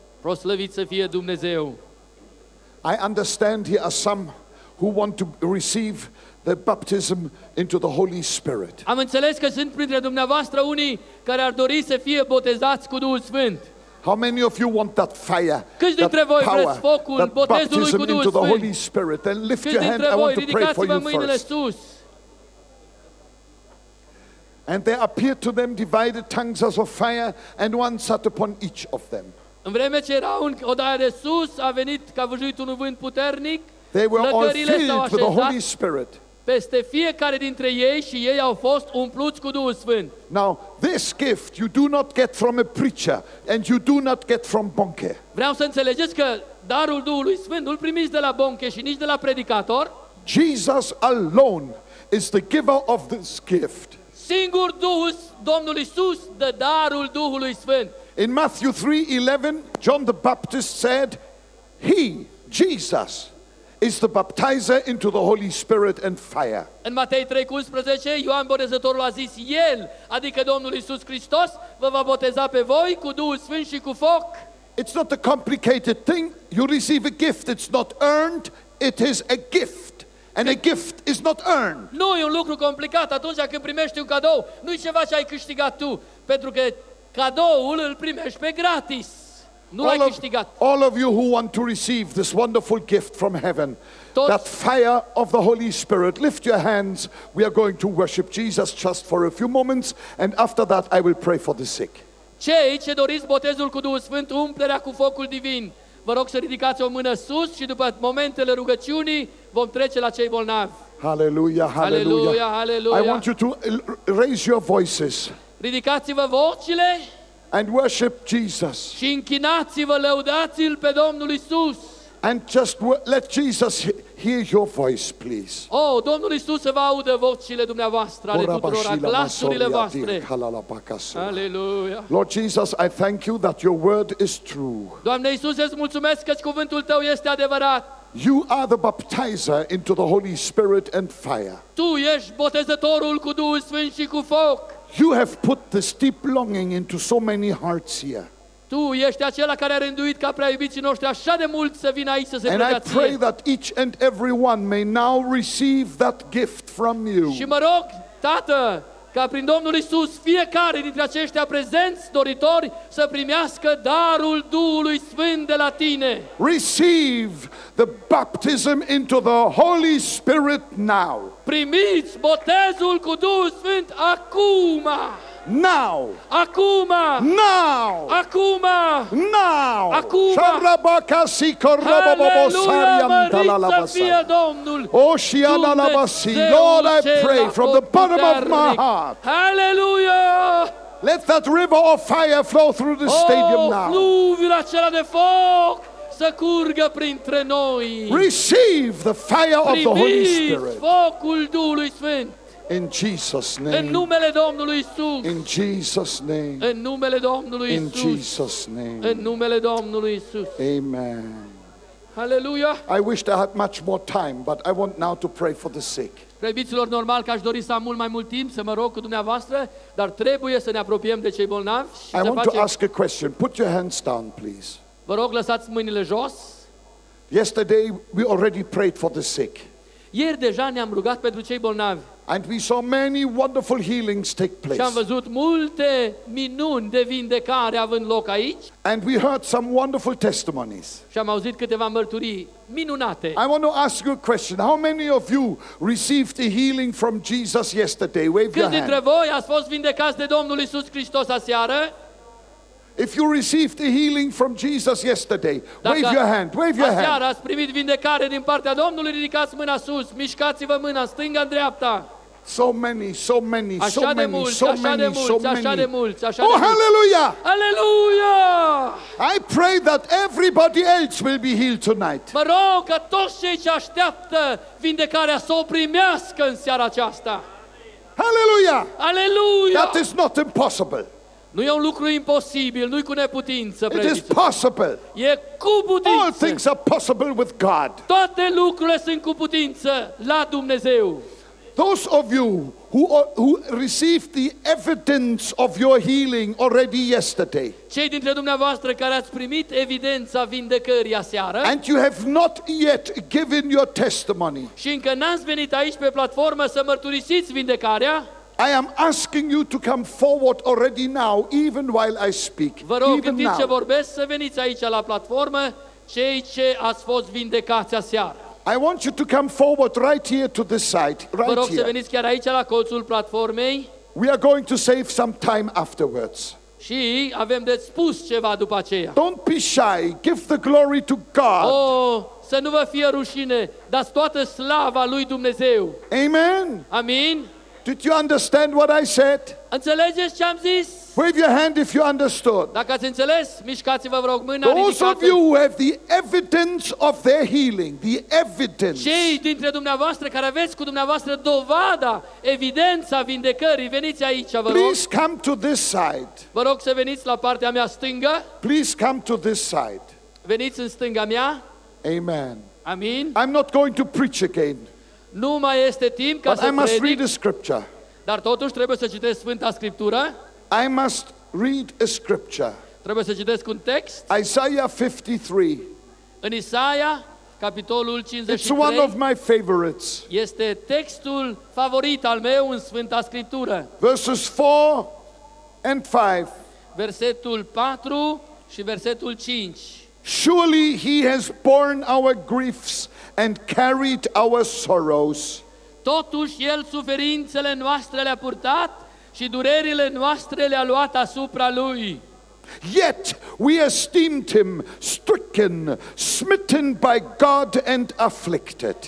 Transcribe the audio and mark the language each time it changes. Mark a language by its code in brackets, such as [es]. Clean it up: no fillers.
[ro] Proslăvit să fie Dumnezeu. [en] I understand here are some who want to receive the baptism into the Holy Spirit. [ro] Am înțeles că sunt printre dumneavoastră unii care ar dori să fie botezați cu Duhul Sfânt. [en] How many of you want that fire? [ro] Câți dintre voi vreți focul botezului cu Duhul Sfânt? [en] The Holy Spirit. Then lift your hand. I want to pray for you first. And there appeared to them divided tongues as of fire, and one sat upon each of them. [ro] În vreme ce era un odaie de sus, a venit ca vâjuit un vânt puternic. [en] They were all filled with the Holy Spirit. [ro] Peste fiecare dintre ei și ei au fost umpluți cu Duhul Sfânt. [en] Now, this gift you do not get from a preacher and you do not get from Bonke. [ro] Vreau să înțelegeți că darul Duhului Sfânt nu-l primiți de la Bonke și nici de la predicator. [en] Jesus alone is the giver of this gift. [ro] Singur Duhul, Domnul Iisus, dă darul Duhului Sfânt. [en] In Matthew 3:11, John the Baptist said, He, Jesus, is the baptizer into the Holy Spirit and fire. [ro] În Matei 3:11, Ioan Botezătorul a zis, El, adică Domnul Iisus Hristos, vă va boteza pe voi cu Duhul Sfânt și cu foc. [en] It's not a complicated thing. You receive a gift. It's not earned. It is a gift. And a gift is not earned. [ro] Nu e un lucru complicat atunci când primești un cadou. Nu e ceva ce ai câștigat tu, pentru că cadoul îl primești pe gratis. Nu l-ai câștigat. [en] All of you who want to receive this wonderful gift from heaven, [ro] toți, [en] that fire of the Holy Spirit, lift your hands. We are going to worship Jesus just for a few moments, and after that I will pray for the sick. [ro] Cei ce doriți botezul cu Duhul Sfânt, umplerea cu focul divin, vă rog să ridicați o mână sus și după momentele rugăciunii vom trece la cei bolnavi. [en] Hallelujah, hallelujah, hallelujah. I want you to raise your voices. [ro] Ridicați-vă vocile. [en] And worship Jesus. [ro] Și închinați-vă, lăudați-l pe Domnul Iisus. [en] And just let Jesus hear your voice, please. [ro] Oh, Domnul Iisus să vă audă vocile dumneavoastră, ale tuturora, glasurile voastre. [en] Hallelujah. Lord Jesus, I thank you that your word is true. [ro] Doamne Iisus, îți mulțumesc că cuvântul tău este adevărat. [en] You are the baptizer into the Holy Spirit and fire. [ro] Tu ești botezătorul cu Duhul Sfânt și cu foc. [en] You have put this deep longing into so many hearts here. [ro] Tu ești acela care a rânduit ca prea iubiții noștri așa de mult să vină aici să se rugă ție. [en] I pray that each and every one may now receive that gift from you. [ro] Și mă rog, Tată, ca prin Domnul Iisus fiecare dintre aceștia prezenți, doritori, să primească darul Duhului Sfânt de la tine. [en] Receive the baptism into the Holy Spirit now. [ro] Primiți botezul cu Duhul Sfânt acum. [en] Now. [ro] Acuma. [en] Now. [ro] Acuma. [en] Now. [ro] Acuma. Sharabakasi korababobosariantalalabasa. Oshiana labasi. [en] Lord, I pray from the bottom of my heart. Hallelujah. Let that river of fire flow through the stadium now. [ro] Fluvia cera de foc să curgă printre noi. [en] Receive the fire of the Holy Spirit. [ro] Focul Duhului Sfânt. [en] In Jesus' name. [ro] În numele Domnului Isus. [en] In Jesus' name. [ro] În numele Domnului Isus. [en] In Jesus' name. [ro] În numele Domnului Isus. [en] Amen. Hallelujah. I wish I had much more time, but I want now to pray for the sick. [ro] Preoților, normal că aș dori să am mult mai mult timp să mă rog cu dumneavoastră, dar trebuie să ne apropiem de cei bolnavi și [en] I want to ask a question. Put your hands down, please. [ro] Vă rog, lăsați mâinile jos. [en] Yesterday we already prayed for the sick. [ro] Ieri deja ne-am rugat pentru cei bolnavi. [en] And we saw many wonderful healings take place. [ro] Și am văzut multe minuni de vindecare având loc aici. [en] And we heard some wonderful testimonies. [ro] Și am auzit câteva mărturii minunate. [en] I want to ask you a question. How many of you received a healing from Jesus yesterday? Wave your hand. [ro] Câți dintre voi ați fost vindecați de Domnul Iisus Hristos aseară? [en] If you received a healing from Jesus yesterday, wave your hand. Wave your hand. [ro] Dacă ați primit vindecare din partea Domnului, ridicați mâna sus, mișcați-vă mâna stânga în dreapta. [en] So many, so many, so many, [ro] de mulți, [en] so many, [ro] așa de mulți, [en] so many. [ro] Așa de mulți, așa oh, de [en] hallelujah! Hallelujah! I pray that everybody else will be healed tonight. [ro] Mă rog ca toți cei ce așteaptă vindecarea să o primească în seara aceasta. [en] Hallelujah! Hallelujah! That is not impossible. [ro] Nu e un lucru imposibil, nu e cu neputință, preoți. [en] It is possible. [ro] E cu putință. [en] All things are possible with God. [ro] Toate lucrurile sunt cu putință la Dumnezeu. [en] Those of you who received the evidence of your healing already yesterday. [ro] Cei dintre dumneavoastră care ați primit evidența vindecării aseară. [en] And you have not yet given your testimony. [ro] Și încă n-ați venit aici pe platformă să mărturisiți vindecarea. [en] I am asking you to come forward already now, even while I speak. [ro] Vă rog, în timp ce vorbesc, să veniți aici la platformă, cei ce ați fost vindecați aseară. [en] I want you to come forward right here to this side, right here. [ro] Vă rog să veniți chiar aici la colțul platformei. [en] We are going to save some time afterwards. [ro] Și avem de spus ceva după aceea. [en] Don't be shy, give the glory to God. [ro] Oh, să nu vă fie rușine, dați toată slava lui Dumnezeu. [en] Amen. [ro] Amin. [en] Did you understand what I said? [ro] Înțelegeți ce am zis? [en] Wave your hand if you understood. [ro] Dacă ați înțeles, mișcați-vă, vă rog, mâna. [en] Those of you who have the evidence of their healing, the evidence. [ro] Cei dintre dumneavoastră care aveți cu dumneavoastră dovada, evidența vindecării, veniți aici, vă rog. [en] Please come to this side. [ro] Vă rog să veniți la partea mea stângă. [en] Please come to this side. [ro] Veniți în stânga mea. [en] Amen. [ro] Amin. [en] I'm not going to preach again. [ro] Nu mai este timp ca [en] but [ro] să [en] I must [ro] predic, [en] read a scripture. [ro] Dar totuși trebuie să citesc Sfânta Scriptură. [en] I must read a scripture. [ro] Trebuie să citesc un text. [en] Isaiah 53. [ro] În Isaia, capitolul 53. [en] It's one of my favorites. [ro] Este textul favorit al meu în Sfânta Scriptură. [en] Verses 4 and 5. [ro] Versetul 4 și versetul 5. [en] Surely he has borne our griefs and carried our sorrows. [ro] Totuși el suferințele noastre le-a purtat și durerile noastre le-a luat asupra lui. [en] Yet we esteemed him stricken, smitten by God and afflicted.